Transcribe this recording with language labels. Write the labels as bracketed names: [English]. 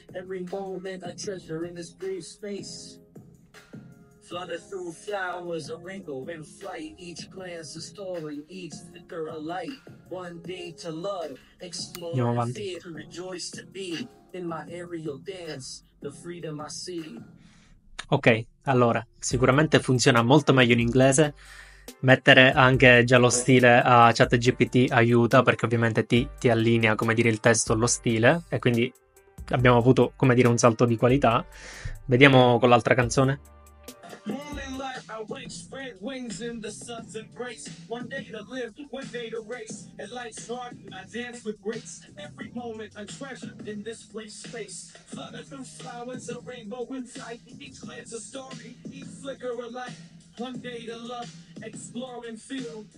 [English] Every moment I treasure in this brief space. Flutter through flowers, a wrinkle in flight. Each glance, a story, each flicker, a light. One day to love, explore [Italian] Andiamo [English] and [Italian] avanti. [English] fear, to rejoice to be. In my aerial dance, the freedom I see. [Italian] Ok, allora, sicuramente funziona molto meglio in inglese. Mettere anche già lo stile a ChatGPT aiuta perché ovviamente ti allinea, come dire, il testo allo stile e quindi abbiamo avuto, come dire, un salto di qualità. Vediamo con l'altra canzone. [English] Morning light, I wake, spread wings in the sun's embrace. One day to live, one day to race. At life's garden, I dance with grace. Every moment I treasure in this brief space. Flutter through flowers, a rainbow in sight. Each glance a story, each flicker a light. One day to love, explore and feel.